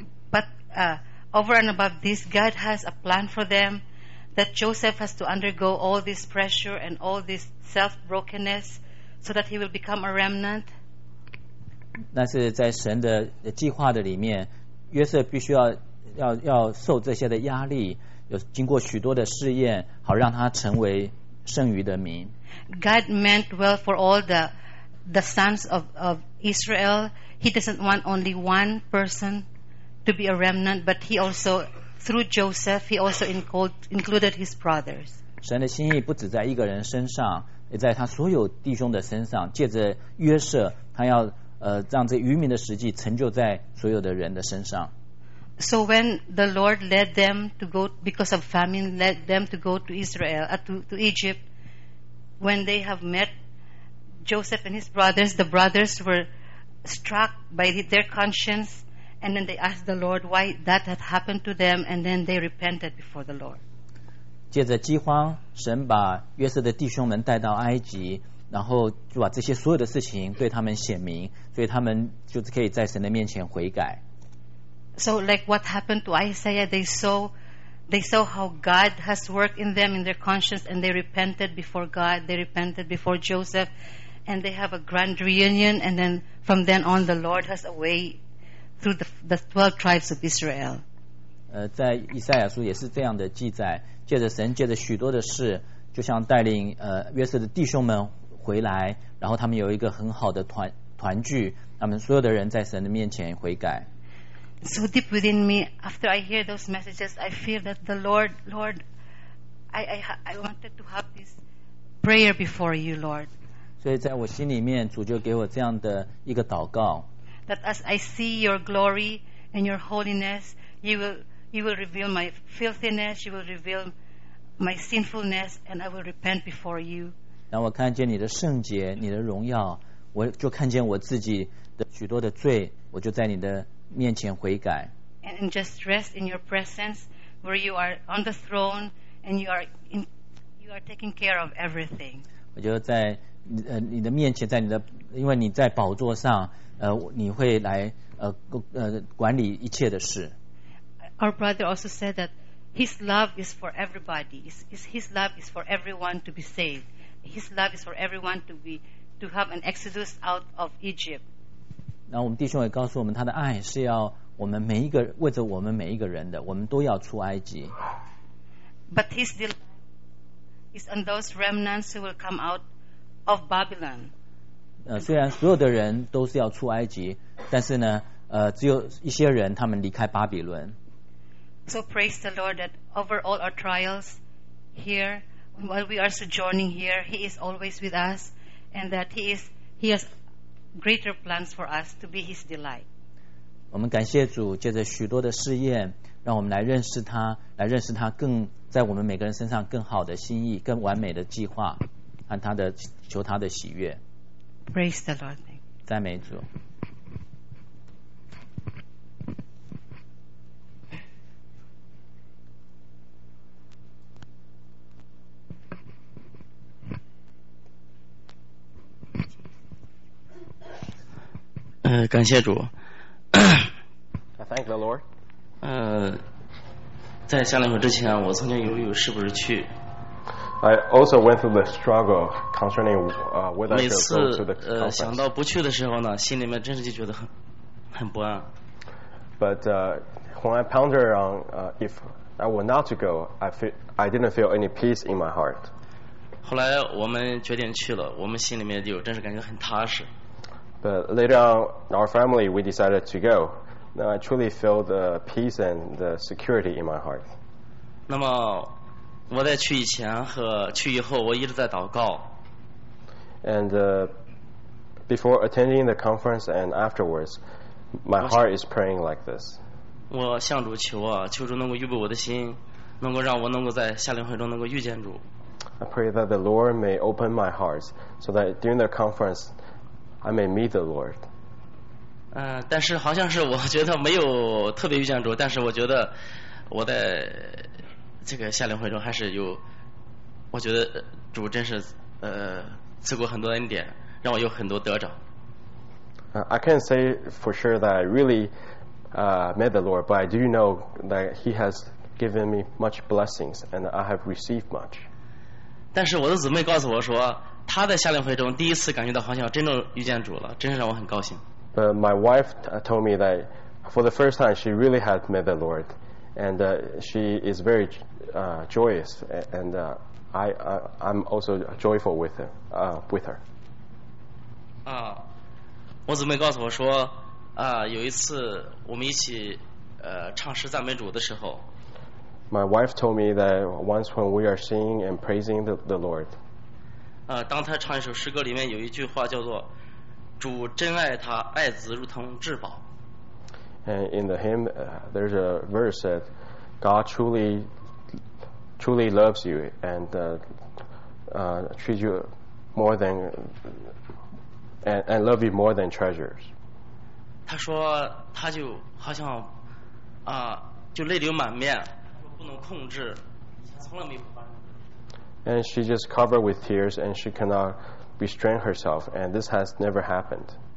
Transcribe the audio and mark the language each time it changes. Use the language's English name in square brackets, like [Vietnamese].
[English] But over and above this, God has a plan for them that Joseph has to undergo all this pressure and all this self-brokenness so that he will become a remnant. [Chinese] 但是在神的计划的里面，约瑟必须 要受这些的压力，有经过许多的试验，好让他成为剩余的民。 [English] God meant well for all the sons of Israel. He doesn't want only one person to be a remnant, but he also, through Joseph, he also included his brothers. [Chinese] 神的心意不只在一个人身上，也在他所有弟兄的身上。借着约瑟，他要让这余民的实际成就在所有的人的身上。 [English] So when the Lord led them to go, because of famine, led them to go to Israel, to Egypt, when they have met Joseph and his brothers, the brothers were struck by their conscience, and then they asked the Lord why that had happened to them, and then they repented before the Lord. [Chinese] 借着饥荒，神把约瑟的弟兄们带到埃及，然后就把这些所有的事情对他们显明，所以他们就可以在神的面前悔改。 [English] So like what happened to Isaiah, they saw how God has worked in them, in their conscience, and they repented before God, they repented before Joseph, and they have a grand reunion, and then from then on, the Lord has a way through the 12 tribes of Israel. [Chinese] 在以赛亚书也是这样的记载，借着神，借着许多的事，就像带领约瑟的弟兄们回来，然后他们有一个很好的团聚，他们所有的人在神的面前悔改。 [English] So deep within me, after I hear those messages, I feel that the Lord, I wanted to have this prayer before you, Lord. [Chinese] 所以在我心里面，主就给我这样的一个祷告。 [English] That as I see your glory and your holiness, you will reveal my filthiness, you will reveal my sinfulness, and I will repent before you. [Chinese] 当我看见你的圣洁，你的荣耀，我就看见我自己的许多的罪，我就在你的面前悔改。 [English] And just rest in your presence where you are on the throne and you are taking care of everything. [Chinese] 我就在你的面前，在你的，因为你在宝座上，你会来管理一切的事。 [English] Our brother also said that his love is for everybody. His love is for everyone to be saved. His love is for everyone to have an exodus out of Egypt. [Chinese] 然后我们弟兄也告诉我们，他的爱是要我们每一个，为着我们每一个人的，我们都要出埃及。 [English] But his delight is on those remnants who will come out of Babylon. [Chinese] 虽然所有的人都是要出埃及，但是呢，只有一些人他们离开巴比伦。 [English] So praise the Lord that over all our trials here, while we are sojourning here, He is always with us, and that He has greater plans for us to be His delight. [Chinese] 我们感谢主，借着许多的试验，让我们来认识他，来认识他更在我们每个人身上更好的心意、更完美的计划，和他的求他的喜悦。 [English] Praise the Lord. [Chinese] 赞美主。感谢主。 [English] I thank the Lord. [Chinese] 在夏令会之前，我曾经犹豫是不是去。 [English] I also went through the struggle concerning whether to go to the conference. [Chinese] 每次想到不去的时候呢，心里面真是就觉得很不安。 [English] But when I ponder on if I were not to go, I didn't feel any peace in my heart. [Chinese] 后来我们决定去了，我们心里面就真是感觉很踏实。 [English] But later on, our family, we decided to go. Now I truly feel the peace and the security in my heart. 那么 [Chinese] 我在去以前和去以后我一直在祷告。 [English] And before attending the conference and afterwards, my heart is praying like this. [Chinese] 我向主求啊，求主能够预备我的心，能够让我能够在夏令会中能够遇见主。 [English] I pray that the Lord may open my heart so that during the conference I may meet the Lord. [Chinese] 但是好像是我觉得没有特别遇见主，但是我觉得我在这个夏令会中还是有，我觉得主真是赐过很多恩典，让我有很多得着。 [English] I can't say for sure that I really met the Lord, but I do know that He has given me much blessings and I have received much. [Chinese] 但是我的姊妹告诉我说，她在夏令会中第一次感觉到好像真正遇见主了，真是让我很高兴。 [English] But my wife told me that for the first time she really had met the Lord, and she is very joyous, and I'm also joyful with her. My [Chinese] 姊妹告诉我说，有一次我们一起唱诗赞美主的时候。 [English] My wife told me that once when we are singing and praising the Lord. [Chinese] 当她唱一首诗歌，里面有一句话叫做“主真爱他，爱子如同至宝”。 [English] And in the hymn, there's a verse that God truly loves you and treats you more than and love you more than treasures. [Chinese] 他说他就好像就泪流满面。 [English] And she just covered with tears and she cannot restrain herself, and this has never happened.